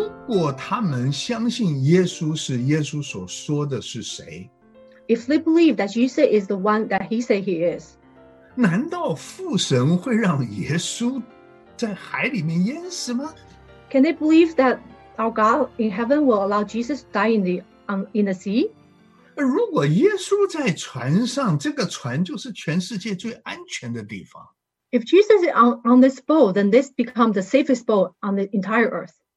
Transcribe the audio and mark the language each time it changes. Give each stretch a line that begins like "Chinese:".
English: If they believe that Jesus is the one that he said he is,
Chinese: 难道父神会让耶稣在海里面淹死吗?
English: Can they believe that our God in heaven will allow Jesus to die in the sea?
Chinese: 如果耶稣在船上, 这个船就是全世界最安全的地方。
English: If Jesus is on this boat, then this becomes the safest boat on the entire earth.